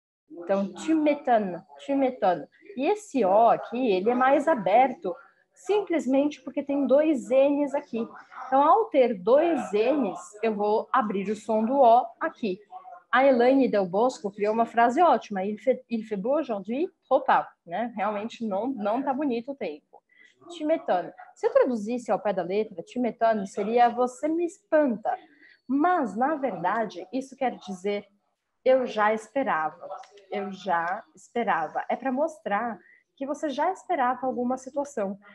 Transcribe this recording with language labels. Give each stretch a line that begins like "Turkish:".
Portuguese: Então, timetano, timetano. E esse O aqui, ele é mais aberto, simplesmente porque tem dois N's aqui. Então, ao ter dois N's, eu vou abrir o som do O aqui. A Elaine Del Bosco criou uma frase ótima.
French: Il fait beau aujourd'hui, trop tard, né?
Portuguese: Realmente não tá bonito o tempo.
French: Tu m'étonnes.
Portuguese: Se eu traduzisse ao pé da letra, tu m'étonnes seria você me espanta. Mas, na verdade, isso quer dizer eu já esperava. Eu já esperava. É para mostrar que você já esperava alguma situação.